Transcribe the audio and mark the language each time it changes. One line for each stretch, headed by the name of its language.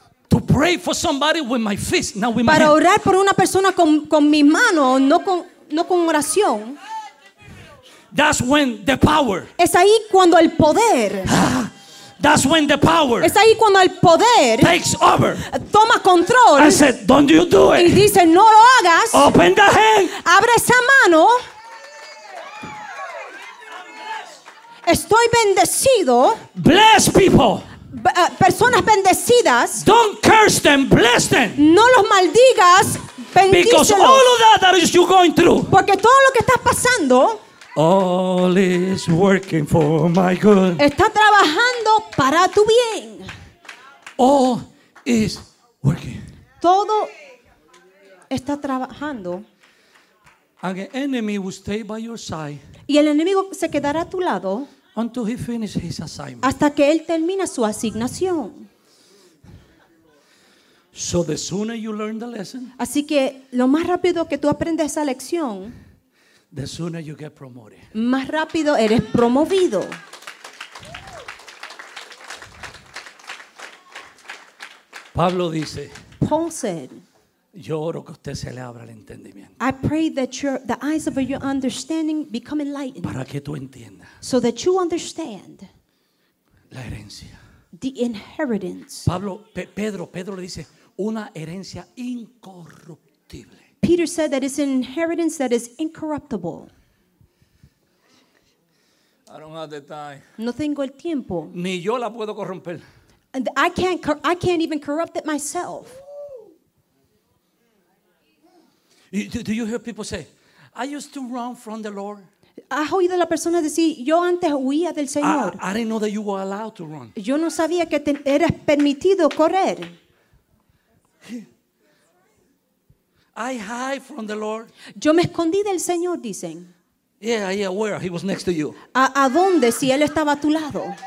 English: To pray for somebody with my fist, not with para my
Spanish: orar hand. Por una persona con mi mano, no con oración.
English: That's when the power.
Spanish: Es ahí cuando el poder.
English: That's when the power.
Spanish: Es ahí cuando el poder
English: takes over.
Spanish: Toma control.
English: I said, don't you do it.
Spanish: Y dice, no lo hagas.
English: Open the hand.
Spanish: Abre esa mano. Estoy bendecido.
English: Bless people.
Spanish: Personas bendecidas.
English: Don't curse them, bless them.
Spanish: No los maldigas, bendícelos.
English: Because all of that is you going through.
Spanish: Porque todo lo que estás pasando.
English: All is working for my good.
Spanish: Está trabajando para tu bien.
English: All is working.
Spanish: Todo está trabajando.
English: And the enemy will stay by your side.
Spanish: Y el enemigo se quedará a tu lado.
English: Until he finishes his assignment.
Spanish: Hasta que él termina su asignación.
English: So the sooner you learn the lesson.
Spanish: Así que lo más rápido que tú aprendes esa lección.
English: The sooner you get promoted.
Spanish: Más rápido eres promovido. Pablo dice.
English: Paul said.
Spanish: Yo oro que usted se le abra el entendimiento.
English: I pray that the eyes of your understanding become enlightened.
Spanish: Para que tú entiendas.
English: So that you understand.
Spanish: La herencia.
English: The inheritance.
Spanish: Pedro le dice una herencia incorruptible.
English: Peter said that it's an inheritance that is incorruptible. I don't have the time.
Spanish: No tengo el tiempo. Ni yo la puedo corromper.
English: And I can't even corrupt it myself. Do you hear people say, "I used to run from the Lord"?
Spanish: ¿Has oído la persona decir, "Yo antes huía del Señor"?
English: I didn't know that you were allowed to run.
Spanish: Yo no sabía que eras permitido correr.
English: I hide from the Lord.
Spanish: Yo me escondí del Señor, dicen.
English: Yeah, where? He was next to you.
Spanish: ¿A dónde? Si él estaba a tu lado.